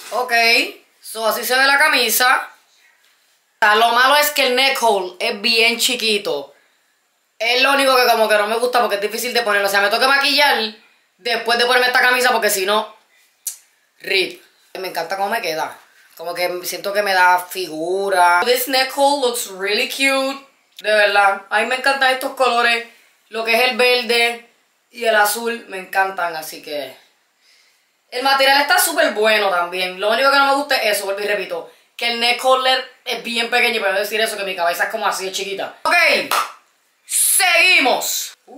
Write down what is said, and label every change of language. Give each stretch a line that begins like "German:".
Spanish: Ok, so así se ve la camisa. Lo malo es que el neck hole es bien chiquito. Es lo único que como que no me gusta porque es difícil de ponerlo. O sea, me toca maquillar después de ponerme esta camisa porque si no, rip. Me encanta cómo me queda. Como que siento que me da figura.
English: This neck hole looks really cute.
Spanish: De verdad, a mí me encantan estos colores. Lo que es el verde y el azul me encantan, así que el material está súper bueno también. Lo único que no me gusta es eso, vuelvo y repito, que el neck collar es bien pequeño. Pero voy a decir eso, que mi cabeza es como así, es chiquita. Ok, seguimos.